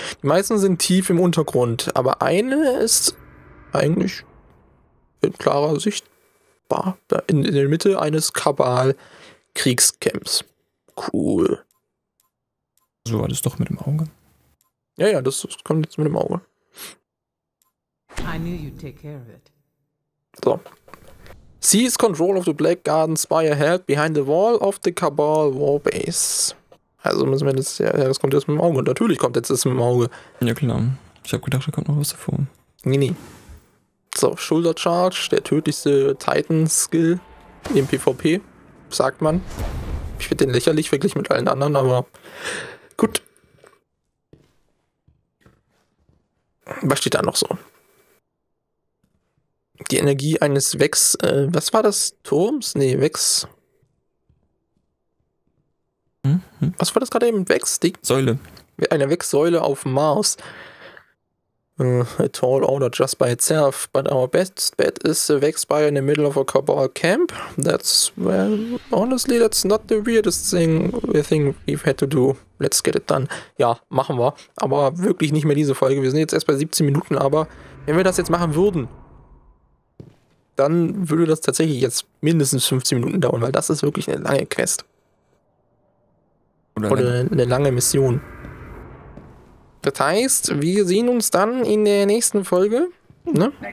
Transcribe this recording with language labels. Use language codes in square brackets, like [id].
[de] Die meisten sind tief im Untergrund, aber eine ist eigentlich in klarer Sicht in der Mitte eines Kabal-Kriegscamps. Cool. So war das doch mit dem Auge. Ja, ja, das kommt jetzt mit dem Auge. [en] I knew you'd take care of it. [de] So. [en] Seize control of the Black Garden Spire held behind the wall of the Kabal Warbase. [de] Also müssen wir das, ja, das kommt jetzt mit dem Auge. Und natürlich kommt jetzt das mit dem Auge. Ja, klar. Ich hab gedacht, da kommt noch was davor. Nee, nee. So, Shoulder Charge, der tödlichste Titan-Skill im PvP, sagt man. Ich finde den lächerlich, wirklich mit allen anderen, aber gut. Was steht da noch so? Die Energie eines Vex, was war das? Turms? Nee, Vex. Was war das gerade eben? Vex? Säule. Eine Vex-Säule auf Mars. [en] A tall order just by itself, but our best bet is a Vex by in the middle of a Kabal camp. That's, well, honestly, that's not the weirdest thing we've had to do. Let's get it done. [de] Ja, machen wir. Aber wirklich nicht mehr diese Folge. Wir sind jetzt erst bei 17 Minuten, aber wenn wir das jetzt machen würden, dann würde das tatsächlich jetzt mindestens 15 Minuten dauern, weil das ist wirklich eine lange Quest. Oder eine lange Mission. Das heißt, wir sehen uns dann in der nächsten Folge, ne?